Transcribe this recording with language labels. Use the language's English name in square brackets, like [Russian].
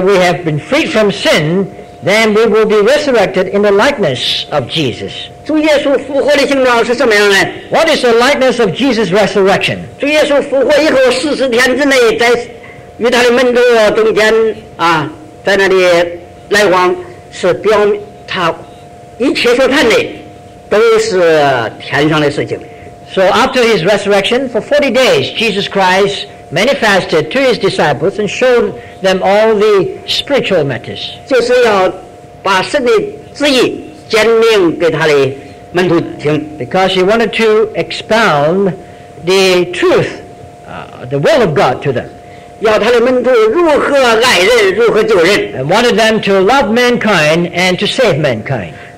[English] we have been freed from sin, then we will be resurrected in the likeness of Jesus. [Chinese] 主耶稣复活的形状是什么样呢？ [English] What is the likeness of Jesus' resurrection? [Chinese] 主耶稣复活以后，40天之内，在与他的门徒中间，在那里来往，是表他一切所谈的，都是天上的事情。 [English] So after his resurrection, for 40 days, Jesus Christ manifested to his disciples and showed them all the spiritual matters. [Chinese] 就是要把神的旨意简明给他的门徒听。 [English] Because he wanted to expound the truth, the will of God to them. [Chinese] 要他的门徒如何爱人，如何救人。 [English] And wanted them to love mankind and to save mankind.